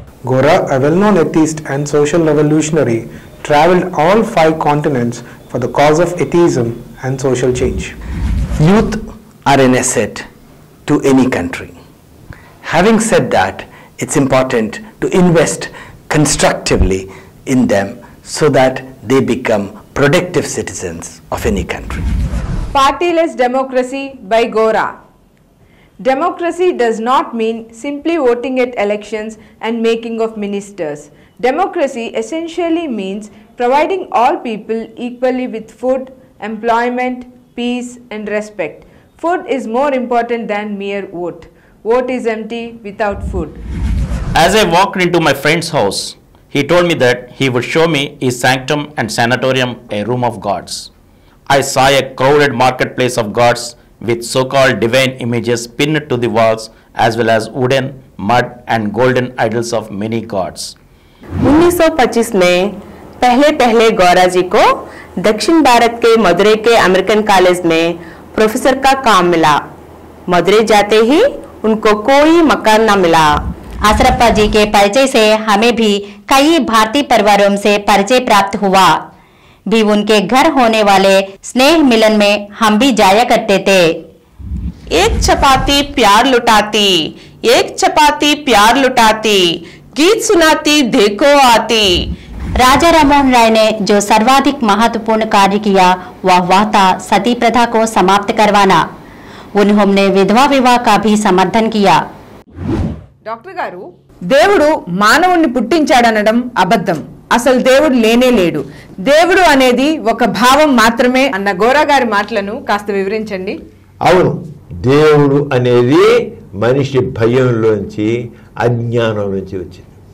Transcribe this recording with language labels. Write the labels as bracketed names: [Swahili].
[English] Gora, a well known atheist and social revolutionary, travelled all 5 continents for the cause of atheism and social change. Youth are an asset to any country. Having said that, it's important to invest constructively in them so that they become productive citizens of any country. Partyless democracy by Gora. Democracy does not mean simply voting at elections and making of ministers. Democracy essentially means providing all people equally with food, employment, peace and respect. Food is more important than mere vote. Vote is empty without food. As I walked into my friend's house, he told me that he would show me his sanctum and sanatorium, a room of gods. I saw a crowded marketplace of gods with so-called divine images pinned to the walls, as well as wooden, mud and golden idols of many gods. [Hindi] 1925 में पहले गोरा जी को दक्षिण भारत के मदुरई के American college में professor का काम मिला. मदुरई जाते ही उनको कोई मकान ना मिला. आसरप्पा जी के परिचय से हमें भी कई भारतीय परिवारों से परिचय प्राप्त हुआ. भी उनके घर होने वाले स्नेह मिलन में हम भी जाया करते थे. एक चपाती प्यार लुटाती, एक चपाती प्यार लुटाती, गीत सुनाती देखो आती. राजा रामोहन राय ने जो सर्वाधिक महत्वपूर्ण कार्य किया वह वा था सती प्रथा को समाप्त करवाना. उन्होंने विधवा विवाह का भी समर्थन किया. [Telugu] డాక్టర్ గారు, దేవుడు మానవుణ్ణి పుట్టించాడనడం అబద్ధం. అసలు దేవుడు లేనే లేడు. దేవుడు అనేది ఒక భావం మాత్రమే అన్న గోరా గారి మాటలను కాస్త వివరించండి. అవును, దేవుడు అనేది మనిషి భయంలోంచి అజ్ఞానం నుంచి వచ్చింది.